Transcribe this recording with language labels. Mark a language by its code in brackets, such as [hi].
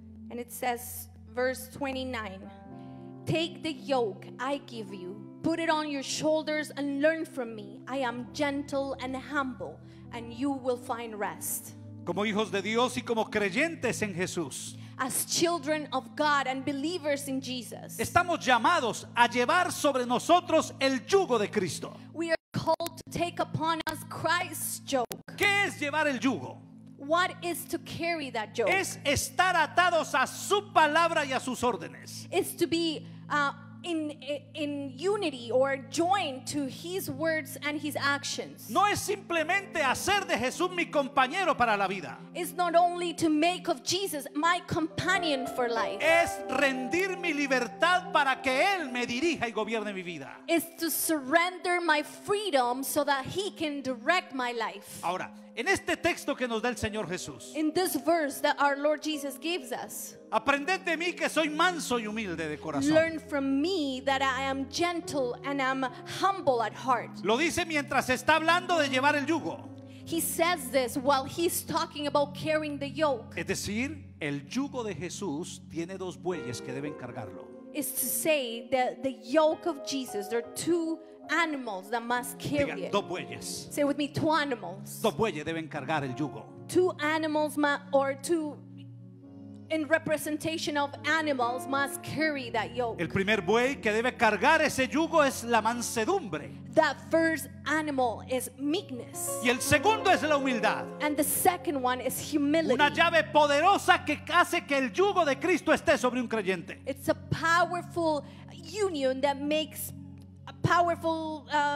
[en] And it says verse 29, take the yoke I give you, put it on your shoulders and learn from me. I am gentle and humble and you will find rest. [es] Como hijos de Dios y como creyentes en Jesús, [en] as children of God and believers in Jesus, [es] estamos llamados a llevar sobre nosotros el yugo de Cristo. [en] We are called to take upon us Christ's yoke. [es] ¿Qué es llevar el yugo? [en] What is to carry that yoke? [es] Es estar atados a su palabra y a sus órdenes. [en] It's to be in unity or joined to his words and his actions. [es] No es simplemente hacer de Jesús mi compañero para la vida. [en] It's not only to make of Jesus my companion for life. [es] Es rendir mi libertad para que él me dirija y gobierne mi vida. [en] It's to surrender my freedom so that he can direct my life. [es] Ahora, en este texto que nos da el Señor Jesús, [en] in this verse that our Lord Jesus gives us, [es] aprended de mí que soy manso y humilde de corazón. [en] Learn from me that I am gentle and I'm humble at heart. [es] Lo dice mientras está hablando de llevar el yugo. [en] He says this while he's talking about carrying the yoke. [es] Es decir, el yugo de Jesús tiene dos bueyes que deben cargarlo. [en] Is to say that the yoke of Jesus, there are two animals that must carry it. [es] Dos bueyes. [en] Say with me, two animals. [es] Dos bueyes deben cargar el yugo. [en] Two animals or two in representation of animals must carry that yoke. [es] El primer buey que debe cargar ese yugo es la mansedumbre. [en] That first animal is meekness. [es] Y el segundo es la humildad. [en] And the second one is humility. [es] Una llave poderosa que hace que el yugo de Cristo esté sobre un creyente. [en] It's a powerful union that makes a powerful